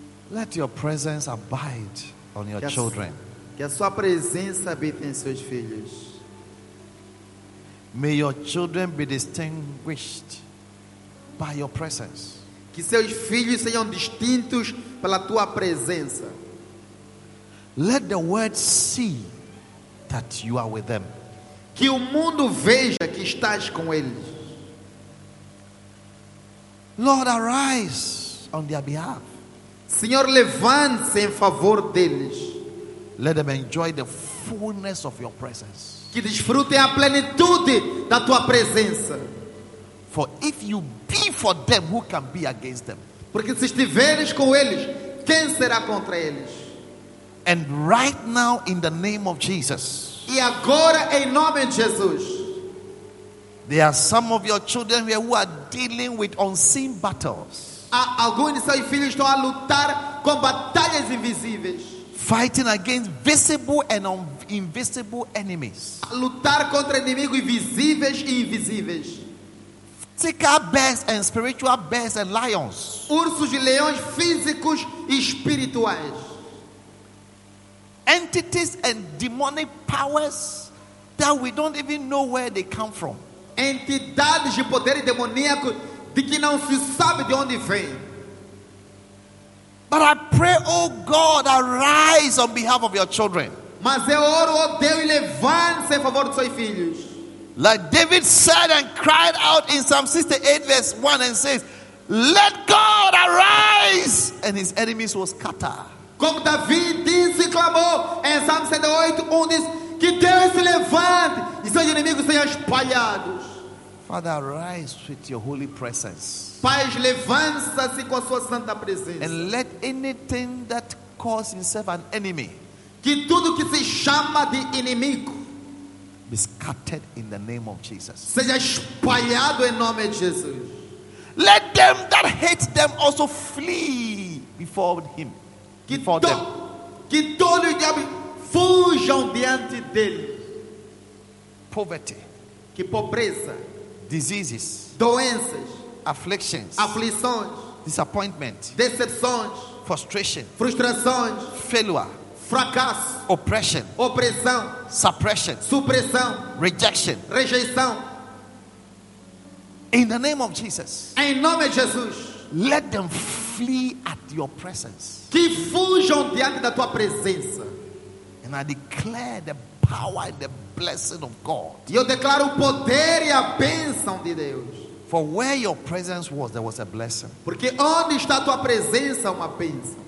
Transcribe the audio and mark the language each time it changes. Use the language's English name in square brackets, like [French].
[English] let your presence abide on your children. [Portuguese] Que a sua presença habite em seus filhos. [English] May your children be distinguished by your presence. [Portuguese] Que seus filhos sejam distintos pela tua presença. [English] Let the world see that you are with them. [Portuguese] Que o mundo veja que estás com eles. [English] Lord, arise on their behalf. [Portuguese] Senhor, levante-se em favor deles. [English] Let them enjoy the fullness of your presence. [Portuguese] Que desfrutem a plenitude da tua presença. [English] For if you be for them, who can be against them? [Portuguese] Porque se estiveres com eles, quem será contra eles? [English] And right now, in the name of Jesus. [Portuguese] E agora, em nome de Jesus. [English] There are some of your children here who are dealing with unseen battles. [Portuguese] Há alguns de seus filhos estão a lutar com batalhas invisíveis. [English] Fighting against visible and invisible enemies. [Portuguese] A lutar contra inimigos visíveis e invisíveis. [English] Physical bears and spiritual bears and lions. [Portuguese] Ursos e leões físicos e espirituais. [English] Entities and demonic powers that we don't even know where they come from. [Portuguese] Entidades de poder demoníaco de que não se sabe de onde vem. [English] But I pray, oh God, arise on behalf of your children. [Portuguese] Mas eu oro, oh Deus, levante-se em favor dos seus filhos. [English] Like David said and cried out in Psalm 68 verse 1 and says, let God arise and his enemies will scatter. [Portuguese] Como Davi disse e clamou em Psalm 68, 1 diz, que Deus se levante e seus inimigos sejam espalhados. [English] Father, arise with your holy presence. [Portuguese] Pai, levanta-se com a sua santa presença. [English] And let anything that calls himself an enemy, [Portuguese] que tudo que se chama de inimigo, [English] be scattered in the name of Jesus. [Portuguese] Seja espalhado em nome de Jesus. [English] Let them that hate them also flee before him. [Portuguese] Que todo o diabo fuja diante dele. [English] Poverty. [Portuguese] Que pobreza. [English] Diseases. [Portuguese] Doenças. [English] Afflictions. [Portuguese] Aflições. [English] Disappointment. [Portuguese] Decepções. [English] Frustration. [Portuguese] Frustrações. [English] Failure. [Portuguese] Fracasso. [English] Oppression. [Portuguese] Opressão. [English] Suppression. [Portuguese] Supressão. [English] Rejection. [Portuguese] Rejeição. [English] In the name of Jesus. [Portuguese] Em nome de Jesus. [English] Let them flee at your presence. [Portuguese] Que fujam diante da tua presença. [English] And I declare the power and the blessing of God. [Portuguese] E eu declaro o poder e a bênção de Deus. [English] For where your presence was, there was a blessing. [Portuguese] Porque onde está a tua presença, uma bênção.